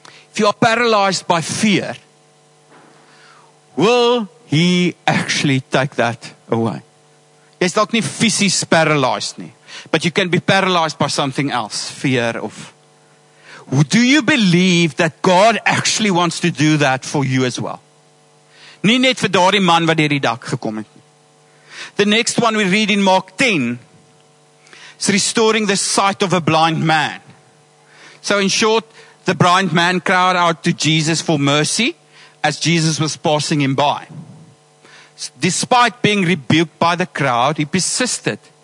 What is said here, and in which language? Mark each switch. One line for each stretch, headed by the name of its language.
English: If you are paralyzed by fear, will he actually take that away?
Afrikaans: Jy is dalk nie fisies paralyzed nie,
English: but you can be paralyzed by something else, fear of. Do you believe that God actually wants to do that for you as well?
Afrikaans: Nie net vir daardie man wat deur die dak gekom het.
English: The next one we read in Mark 10 is restoring the sight of a blind man. So in short, the blind man cried out to Jesus for mercy as Jesus was passing him by. Despite being rebuked by the crowd, he persisted.